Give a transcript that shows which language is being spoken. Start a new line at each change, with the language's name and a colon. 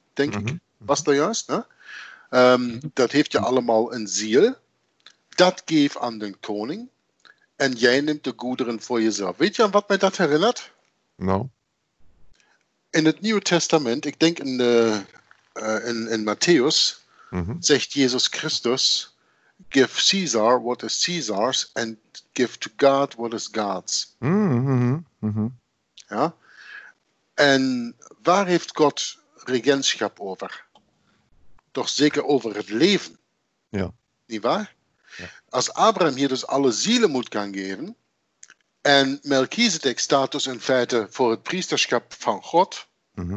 Dutch: Denk ik, was dat juist. Ne? Dat heeft ja allemaal een ziel, dat geef aan de koning en jij neemt de goederen voor jezelf. Weet je aan wat mij dat herinnert? Nou. In het Nieuwe Testament, ik denk in Matthäus, mm-hmm. zegt Jezus Christus,
English: give Caesar what is Caesar's and give to God what is God's. Mm-hmm.
Dutch: Ja? En waar heeft God regentschap over? Toch zeker over het leven. Ja. Niet waar? Ja. Als Abraham hier dus alle zielen moet gaan geven, en Melchizedek staat dus in feite voor het priesterschap van God, mm-hmm.